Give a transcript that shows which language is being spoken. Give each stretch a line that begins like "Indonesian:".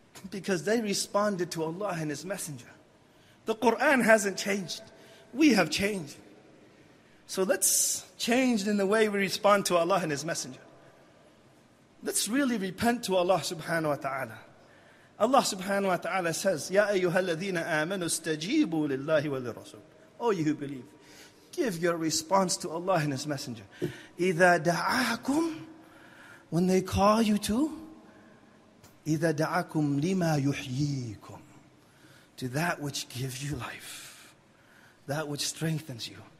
English: Because they responded to Allah and His Messenger. The Quran hasn't changed. We have changed. So let's change in the way we respond to Allah and His Messenger. Let's really repent to Allah subhanahu wa ta'ala. Allah subhanahu wa ta'ala says,
Arabic: يَا أَيُّهَا الَّذِينَ آمَنُوا اسْتَجِيبُوا لِلَّهِ وَلِلرَّسُولِ.
English: Oh, you who believe, give your response to Allah and His Messenger.
Arabic: إِذَا دَعَاكُمْ,
English: when they call you to,
Arabic: إِذَا دَعَاكُمْ لِمَا يُحْيِيكُمْ,
English: to that which gives you life, that which strengthens you.